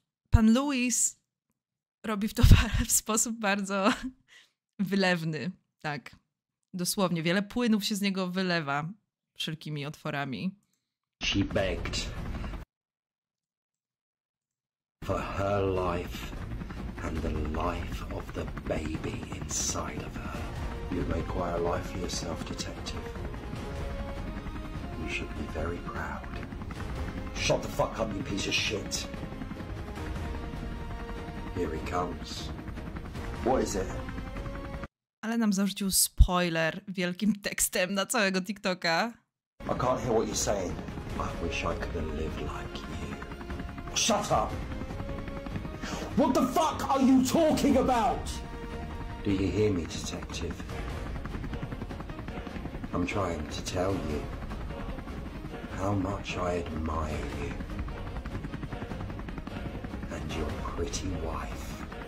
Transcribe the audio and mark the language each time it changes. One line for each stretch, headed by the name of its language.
Polish: Pan Louis robi to w sposób bardzo wylewny. Tak, dosłownie. Wiele płynów się z niego wylewa wszelkimi otworami.
English: She begged for her life and the life of the baby inside of her. You may quite a life for yourself, detective. You should be very proud. Shut the fuck up, you piece of shit. Here he comes. What is it?
Polish: Ale nam zarzucił spoiler wielkim tekstem na całego TikToka.
English: I can't hear what you're saying. I wish I could have lived like you. Shut up! What the fuck are you talking about? Do you hear me, detective? I'm trying to tell you how much I admire you and your pretty wife.